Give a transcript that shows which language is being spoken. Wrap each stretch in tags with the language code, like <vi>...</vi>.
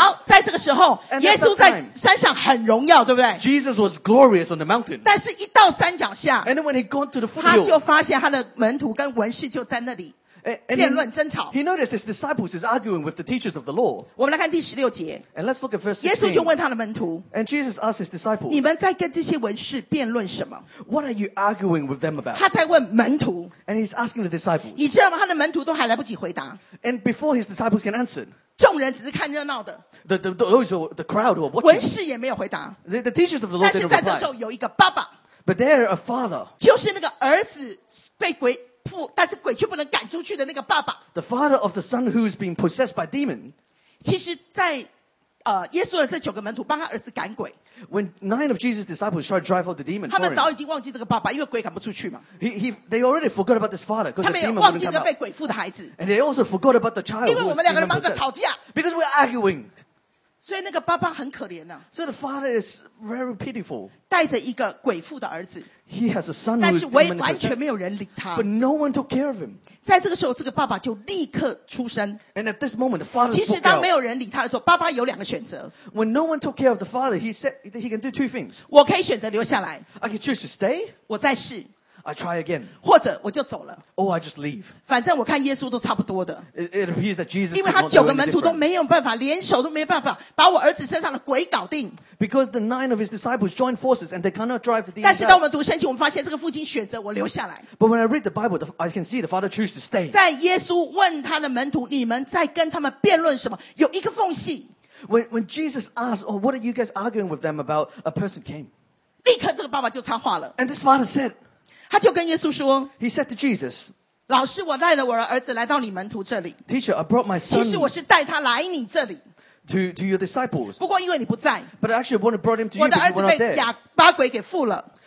<zh>好，在这个时候，耶稣在山上很荣耀，对不对</zh> <en>？Jesus was glorious on the mountain.</en> <zh>但是一到山脚下</zh> <en>，And when he got to the foothill,</en> <zh>他就发现他的门徒跟文士就在那里。辩论争吵。</zh> <en>He noticed his disciples is arguing with the teachers of the law.</en> <zh>我们来看第十六节。</zh> <en>And let's look at verse 16.</en> <zh>耶稣就问他的门徒。</zh> <en>And Jesus asked his disciples.</en> <zh>你们在跟这些文士辩论什么</zh> <en>？What are you arguing with them about?</en> <zh>他在问门徒。</zh> <en>And he's asking the disciples.</en> <zh>你知道吗？他的门徒都还来不及回答。</zh> <en>And before his disciples can answer.</en> <zh>众人只是看热闹的。</zh> <en>The crowd who are watching.</en> <zh>文士也没有回答。</zh> <en>The teachers of the law didn't reply.</en> <zh>但是在这时候有一个爸爸。</zh> <en>But there a father.</en> <zh>就是那个儿子被鬼。但是鬼却不能赶出去的那个爸爸</zh> <en>The father of the son who's been possessed by demon</en> <zh>其实在耶稣的这九个门徒帮他儿子赶鬼</zh> <en>When nine of Jesus' disciples tried to drive out the demon</en> <zh>他们早已经忘记这个爸爸因为鬼赶不出去嘛</zh> <en>They already forgot about this father</en> <zh>他们也忘记这个被鬼附的孩子</zh> <en>And they also forgot about the child</en> <zh>因为我们两个人忙着吵架</zh> <en>Because we're arguing</en> <zh>所以那个爸爸很可怜啊</zh> <en>So the father is very pitiful</en> <zh>带着一个鬼附的儿子</zh> <en>He has a son who is demon possessed.</en> <zh>但是完全没有人理他。</zh> <en>But no one took care of him.</en> <zh>在这个时候，这个爸爸就立刻出声。</zh> <en>And at this moment, the father.</en> <zh>其实当没有人理他的时候，爸爸有两个选择。</zh> <en>When no one took care of the father, he said he can do two things.</en> <zh>我可以选择留下来。</zh> <en>I can choose to stay.</en> <zh>我再试。</zh> <en>I try again.</en> <zh>或者我就走了。</zh> <en>Or I just leave.</en> <zh>反正我看耶稣都差不多的。</zh> <en>It appears that Jesus.</en> <zh>因为他九个门徒都没有办法，联手都没办法把我儿子身上的鬼搞定。</zh> <en>Because the nine of his disciples joined forces and they cannot drive the demon.</en> <zh>但是当我们读圣经，我们发现这个父亲选择我留下来。</zh> <en>But when I read the Bible, I can see the father chose to stay.</en> <zh>在耶稣问他的门徒，你们在跟他们辩论什么？有一个缝隙。</zh> <en>When Jesus asked, "Oh, what are you guys arguing with them about?" A person came.</en> <zh>立刻这个爸爸就插话了。</zh> <en>And this father said,</en> <zh>他就跟耶稣说。</zh> <en>He said to Jesus.</en> <zh>老师，我带了我的儿子来到你门徒这里。</zh> <en>Teacher, I brought my son.</en> <zh>其实我是带他来你这里。</zh> <en>To your disciples.</en> <zh>不过因为你不在。</zh> <en>But actually, I brought him to you.</en> <zh>我的儿子被哑巴鬼给附了。</zh>